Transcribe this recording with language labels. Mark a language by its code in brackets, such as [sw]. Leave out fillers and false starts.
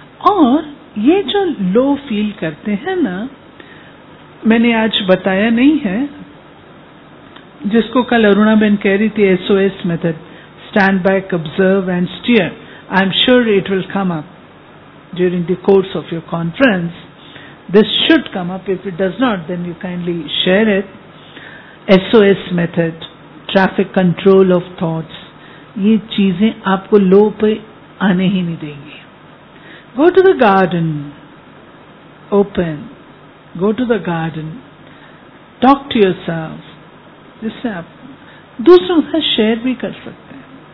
[hi] और ये जो लो फील करते हैं ना, मैंने आज बताया नहीं है, जिसको कल अरुणा बेन कह रही थी SOS method, stand back observe and steer, [en] I am sure it will come up during the course of your conference. This should come up. If it does not, then you kindly share it. SOS method, traffic control of thoughts. [hi] ये चीजें आपको लो पे आने ही नहीं देंगी। [en] Go to the garden. Open. Go to the garden. Talk to yourself. [hi] जिससे आप दूसरों से शेयर भी कर सकते हैं।